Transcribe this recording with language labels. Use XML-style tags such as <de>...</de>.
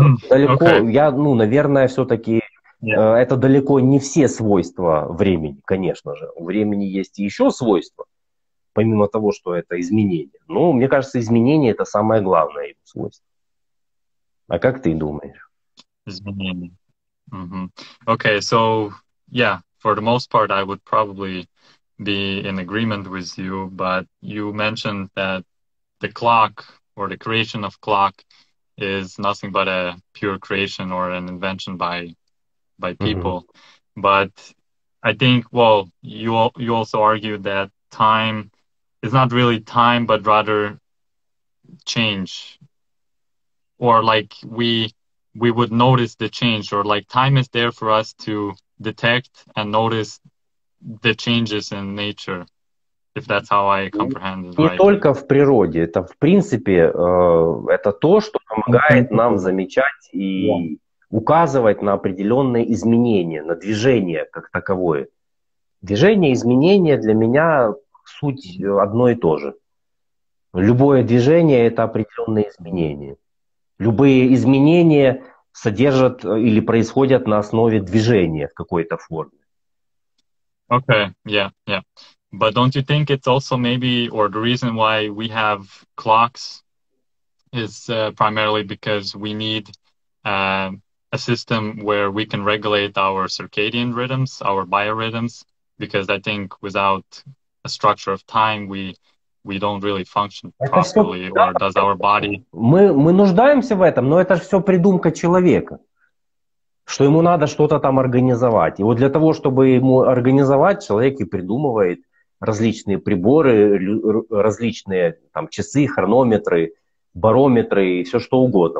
<ru>Наверное, все-таки это далеко не все свойства времени, конечно же. У времени есть еще свойства, помимо того, что это изменение. Но мне кажется, изменение – это самое главное его свойство. А как ты думаешь? Изменение.</ru> <en>Okay, so, yeah, for the most part, I would probably be in agreement with you, but you mentioned that the clock or the creation of clock is nothing but a pure creation or an invention by people. Mm-hmm. But I think, well, you also argued that time is not really time, but rather change. Or like we would notice the change, or like time is there for us to detect and notice the changes in nature. If that's how I comprehend it,</en> <ru>не только в природе, это в принципе это то, что помогает нам замечать и указывать на определенные изменения, на движение как таковое. Движение, изменения для меня суть одно и то же. Любое движение это определенные изменения. Любые изменения содержат или происходят на основе движения в какой-то форме.</ru> <en>Okay, yeah. But don't you think it's also maybe, or the reason why we have clocks is primarily because we need a system where we can regulate our circadian rhythms, our biorhythms, because I think without a structure of time, we don't really function properly, or does our body...</en> <ru>Мы нуждаемся в этом, но это же все придумка человека. Что ему надо что-то там организовать. И вот для того, чтобы ему организовать, человек и придумывает различные приборы, различные там, часы, хронометры, барометры и все что угодно.</ru>